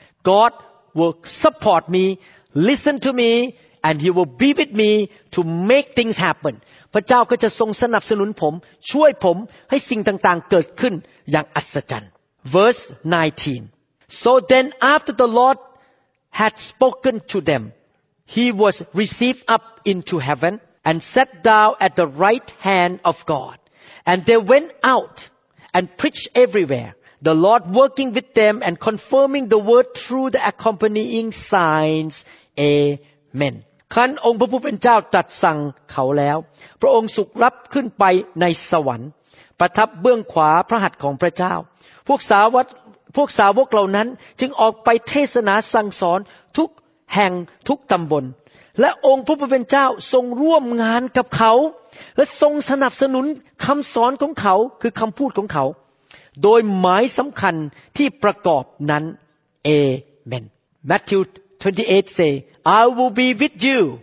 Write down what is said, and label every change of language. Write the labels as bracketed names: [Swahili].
[English] God will support me listen to me and he will be with me to make things happen [Thai] พระเจ้าก็จะทรงสนับสนุนผมช่วยผมให้สิ่งต่างๆเกิดขึ้นอย่างอัศจรรย์ [English] verse 19 so then after the Lord had spoken to them he was received up into heavenAnd sat down at the right hand of God. And they went out and preached everywhere. The Lord working with them and confirming the word through the accompanying signs. Amen. [Thai] ครั้นองค์พระผู้เป็นเจ้าตรัสสั่งเขาแล้วพระองค์สุขรับขึ้นไปในสวรรค์ประทับเบื้องขวาพระหัตถ์ของพระเจ้าพวกส าวกเหล่านั้นจึงออกไปเทศนาสั่งสอนทุกแห่งทุกตำบลและองค์พระผู้เป็นเจ้าทรงร่วมงานกับเขาและทรงสนับสนุนคำสอนของเขาคือคำพูดของเขาโดยหมายสำคัญที่ประกอบนั้นเอเมน [English] Matthew 28 say I will be with you